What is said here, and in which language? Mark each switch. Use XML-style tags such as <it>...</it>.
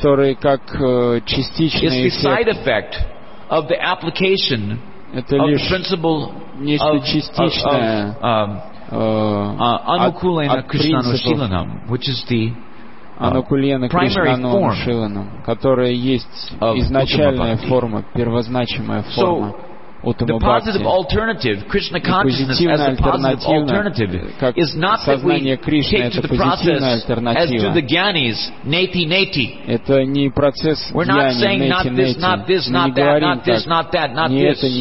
<en>the side effect of the application of the principle of anukulena krishnanushilanam, which is the primary form,</en> <ru>которая есть изначальная форма, первозначимая форма.</ru> <en>The positive alternative, Krishna consciousness as a positive alternative, is not that we take to the process as to the gyanis, neti-neti. We're not saying not this, not this, not that, not this, not that, not this.</en>